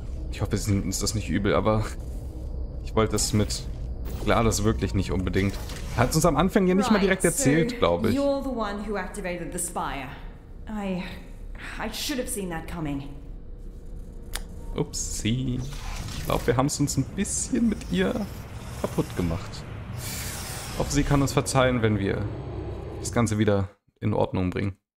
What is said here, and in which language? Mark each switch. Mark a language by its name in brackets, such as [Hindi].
[German] Ich hoffe, sie nehmen uns das nicht übel, aber ich wollte es mit Gladys wirklich nicht unbedingt. Hat es uns am Anfang ja nicht mal direkt erzählt, glaube ich. [English] You're the one who activated the spire. I should have seen that coming. Upsi. [German] Ich glaube, wir haben es uns ein bisschen mit ihr kaputt gemacht. Ich hoffe, sie kann uns verzeihen, wenn wir das Ganze wieder in Ordnung bringen.